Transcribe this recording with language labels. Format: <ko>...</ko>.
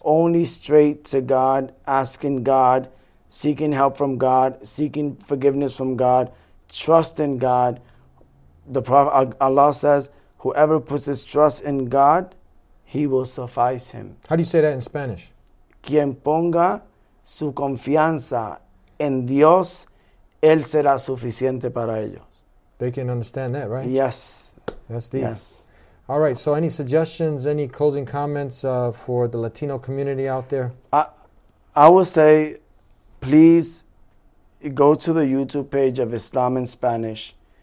<en>Only straight to God, asking God, seeking help from God, seeking forgiveness from God, trusting God. The Prophet Allah says, whoever puts his trust in God, he will suffice him. How do you say that in Spanish?</en> <es>Quien ponga su confianza en Dios, él será suficiente para ellos.</es> <en>They can understand that, right? Yes. That's deep. Yes. All right, so any suggestions, any closing comments for the Latino community out there? I would say, please go to the YouTube page of Islam in Spanish.</en>